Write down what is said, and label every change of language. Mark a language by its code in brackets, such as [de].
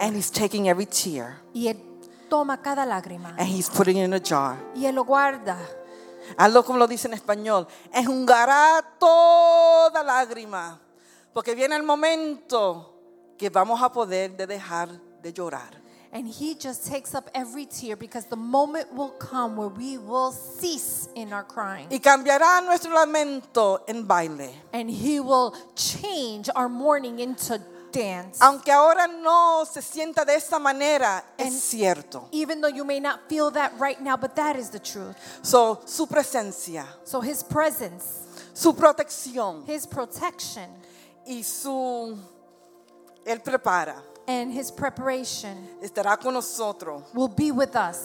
[en] And he's taking every tear. [es] Y él toma cada lágrima. [en] And he's putting it in a jar. [es] Y él lo guarda. Hazlo como lo dice en español. Enjugará toda lágrima. Porque viene el momento que vamos a poder de dejar de llorar. [en] And he just takes up every tear because the moment will come where we will cease in our crying. [es] Y cambiará nuestro lamento en baile. [en] And he will change our mourning into dance. [es] Aunque ahora no se sienta de esa manera, es cierto. [en] Even though you may not feel that right now, but that is the truth. [es] So su presencia. [en] So his presence. [es] Su protección. [en] His protection. [es] Y su él prepara. [en] And his preparation [es] estará con nosotros [en] will be with us